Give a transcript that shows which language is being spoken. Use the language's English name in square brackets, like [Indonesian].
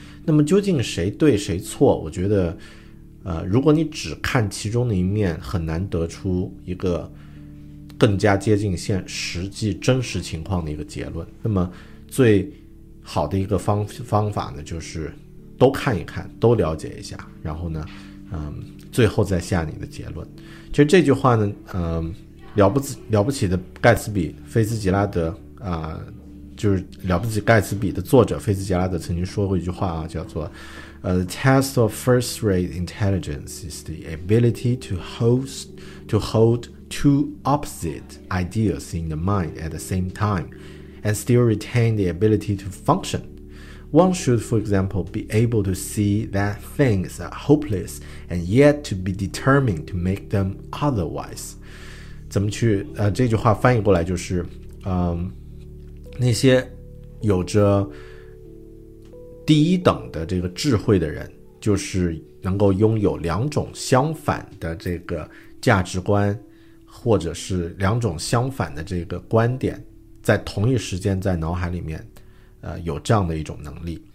[Chinese] 那么究竟谁对谁错，我觉得如果你只看其中的一面，很难得出一个更加接近现实际真实情况的一个结论。那么最好的一个方法呢，就是都看一看，都了解一下，然后呢最后再下你的结论。其实这句话呢了不起的盖茨比菲茨吉拉德就是了不起盖茨比的作者菲茨吉拉德曾经说过一句话啊，叫做 [English] The test of first-rate intelligence is the ability to hold two opposite ideas in the mind at the same time and still retain the ability to function. One should, for example, be able to see that things are hopeless and yet to be determined to make them otherwise. [Chinese] 怎么去这句话翻译过来就是那些有着第一等的这个智慧的人，就是能够拥有两种相反的这个价值观，或者是两种相反的这个观点，在同一时间在脑海里面有这样的一种能力。